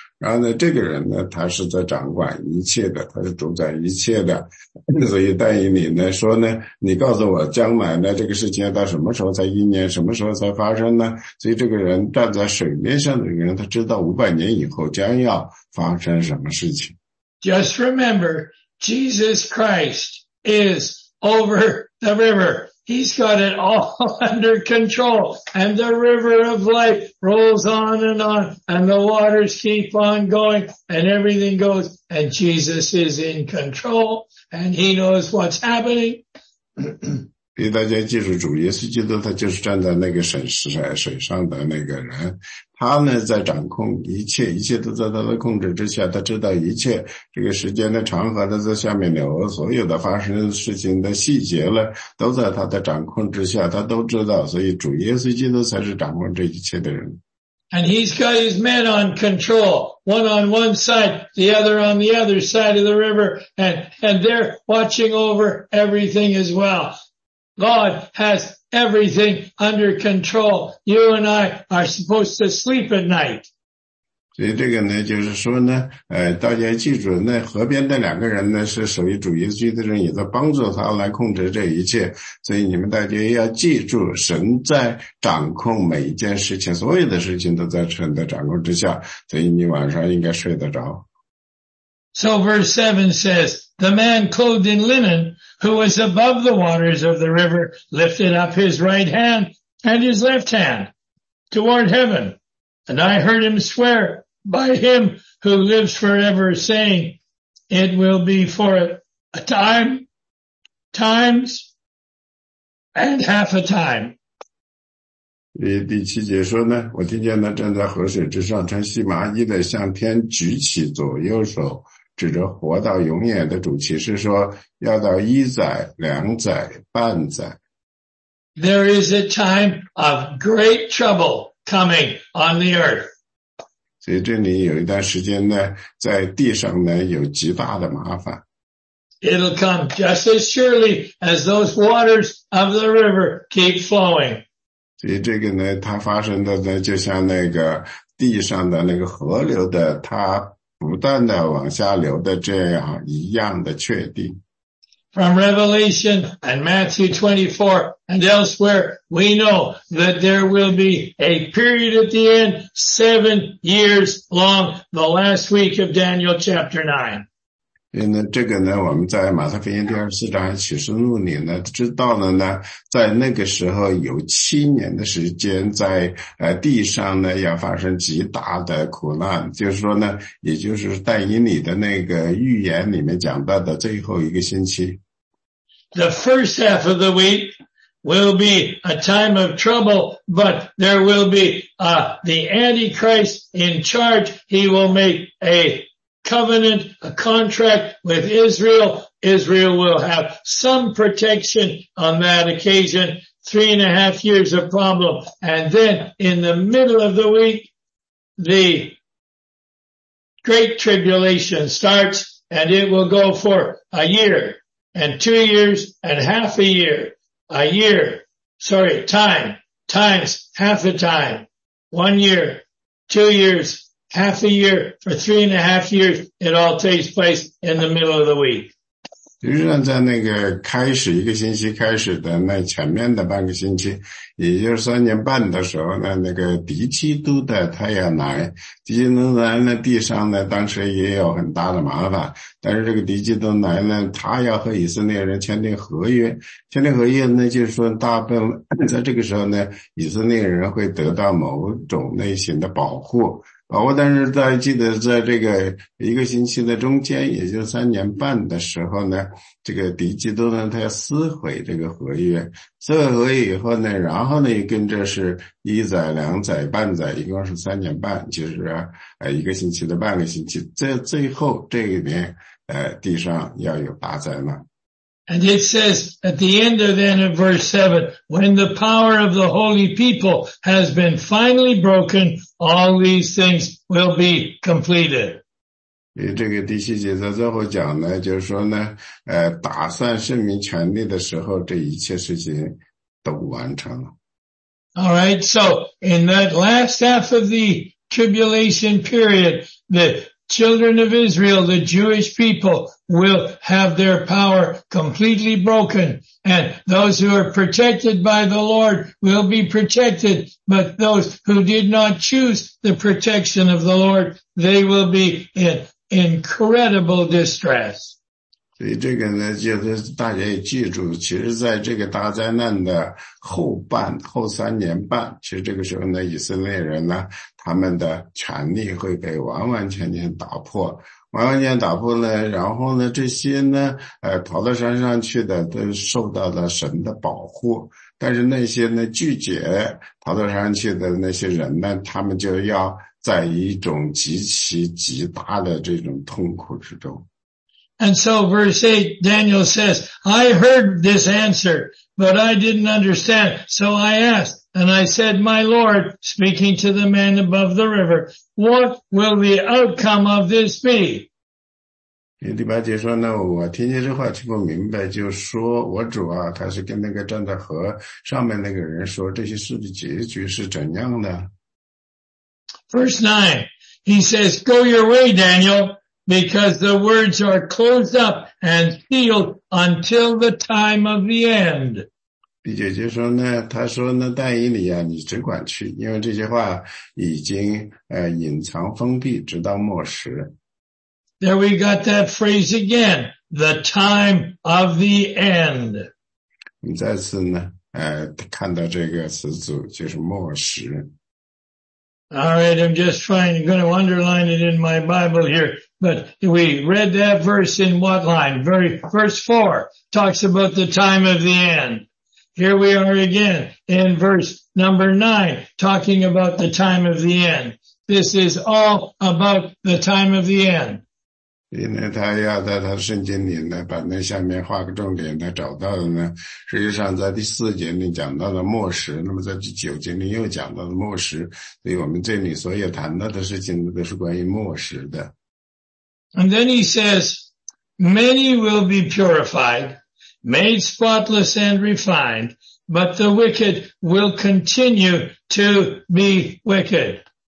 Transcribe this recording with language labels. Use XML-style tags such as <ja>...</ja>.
<zh>然后呢，这个人呢，他是在掌管一切的，他是主宰一切的。所以但以理呢说呢，你告诉我将来呢，这个事情要到什么时候才应验，什么时候才发生呢？所以这个人站在水面上的人，他知道500年以后将要发生什么事情。</zh> <en>Just remember, Jesus Christ is over the river. He's got it all under control. And the river of life rolls on, and the waters keep on going, and everything goes, and Jesus is in control. And he knows what's happening.</en> <zh>大家记住，主耶稣基督他就是站在那个水上的那个人，他呢在掌控一切，一切都在他的控制之下，他知道一切，这个时间的长河的在下面流，所有的发生事情的细节呢都在他的掌控之下，他都知道，所以主耶稣基督才是掌控这一切的人。</zh> <en>And he's got his men on control, one on one side, the other on the other side of the river, and they're watching over everything as well. God has everything under control. You and I are supposed to sleep at night.</en> <zh>所以这个呢，就是说呢，大家记住，那河边的两个人呢，是属于主耶稣基督的人，也在帮助他来控制这一切。所以你们大家要记住，神在掌控每一件事情，所有的事情都在神的掌控之下。所以你晚上应该睡得着。</zh> <en>So verse 7 says, the man clothed in linen who was above the waters of the river lifted up his right hand and his left hand toward heaven. And I heard him swear by him who lives forever, saying, it will be for a time, times, and half a time.</en> <zh>第七节说呢，我听见他站在河水之上，穿细麻衣的向天举起左右手。指着活到永远的主，其实说要到一载、两载、半载。</zh> <en>There is a time of great trouble coming on the earth.</en> <zh>所以这里有一段时间呢，在地上呢有极大的麻烦。</zh> <en>It'll come just as surely as those waters of the river keep flowing.</en> <zh>所以这个呢，它发生的呢，就像那个地上的那个河流的它。不断地往下流的这样一样的确定。</zh> <en>From Revelation and Matthew 24 and elsewhere, we know that there will be a period at the end, 7 years long, the last week of Daniel chapter 9.</en> <zh>因为这个呢，我们在马太福音第24章启示录里呢，知道了呢，在那个时候有7年的时间在地上呢要发生极大的苦难，就是说呢，也就是但以理的那个预言里面讲到的最后一个星期。</zh> <en>The first half of the week will be a time of trouble, but there will be the Antichrist in charge. He will make a covenant, a contract with Israel. Israel will have some protection on that occasion. 3.5 years of problem. And then in the middle of the week, the great tribulation starts and it will go for a year and 2 years and half a year, time, times, half a time, 1 year, 2 years, half a year, for 3.5 years, it all takes place in the middle of the week.</en> <zh>实际上在那个开始一个星期开始的那前面的半个星期，也就是3年半的时候呢，那个敌基督的他要来，敌基督来呢，地上呢当时也有很大的麻烦，但是这个敌基督来呢，他要和以色列人签订合约，签订合约呢就是说大部分在这个时候呢，以色列人会得到某种类型的保护。我但是在记得在这个一个星期的中间，也就3年半的时候呢，这个敌基督呢，他要撕毁这个合约，撕毁合约以后呢，然后呢，跟着是一载、两载、半载，一共是3年半，就是一个星期的半个星期，在最后这一年，地上要有大灾难。</zh> <en>And it says at the end of then in verse 7, when the power of the holy people has been finally broken, all these things will be completed.</en> <zh>这个第七节在最后讲呢，就是说呢，打算圣民权利的时候，这一切事情都完成了。</zh> <en>All right, so in that last half of the tribulation period, the children of Israel, the Jewish people, will have their power completely broken. And those who are protected by the Lord will be protected. But those who did not choose the protection of the Lord, they will be in incredible distress.</en> <zh>所以这个呢，就是大家也记住，其实在这个大灾难的后3年半，其实这个时候呢，以色列人呢，他们的权力会被完完全全打破。完完全打破了，然后呢，这些呢，逃到山上去的都受到了神的保护，但是那些呢拒绝逃到山上去的那些人呢，他们就要在一种极其极大的这种痛苦之中。</zh> <en>And so verse 8, Daniel says, I heard this answer, but I didn't understand, so I asked. And I said, my Lord, speaking to the man above the river, what will the outcome of this be?</en> <zh>第八节说，那我听见这话却不明白，就说我主啊，他是跟那个站在河上面那个人说，这些事的结局是怎样的？</zh> <en>Verse 9, he says, go your way, Daniel, because the words are closed up and sealed until the time of the end.</en> <zh>第九节说呢，他说呢，但以理啊，你只管去，因为这些话已经隐藏封闭，直到末时。</zh> <en>There we got that phrase again, the time of the end.</en> <zh>我们再次呢看到这个词组就是末时。</zh> <en>Alright, I'm just trying, I'm going to underline it in my Bible here, but we read that verse in what line? Verse 4 talks about the time of the end. Here we are again in verse number 9 talking about the time of the end. This is all about the time of the end.</en> <zh>因为他要在他圣经里呢把那下面画个重点，他找到的呢实际上在第四节里讲到了末时，那么在第九节里又讲到了末时，所以我们这里所有谈到的事情都是关于末时的。</zh> <en>And then he says, many will be purified, made spotless and refined, but the wicked will continue to be wicked.</en>